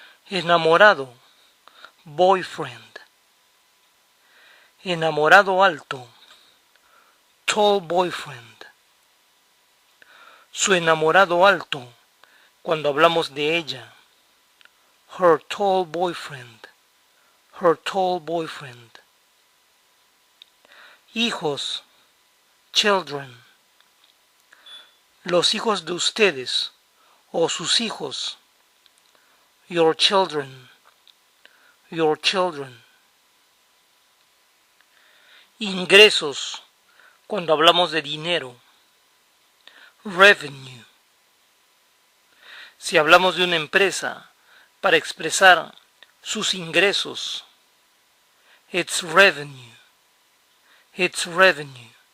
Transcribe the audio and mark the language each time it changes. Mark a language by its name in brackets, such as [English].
[Spanish] Enamorado, boyfriend. Enamorado alto, [English] tall boyfriend. [Spanish] su enamorado alto cuando hablamos de ella. [English] Her tall boyfriend, her tall boyfriend. [Spanish] Hijos, children. Los hijos de ustedes o sus hijos. [English] Your children, your children. [Spanish] Ingresos, cuando hablamos de dinero. Revenue. Si hablamos de una empresa, para expresar sus ingresos. [English] It's revenue. It's revenue.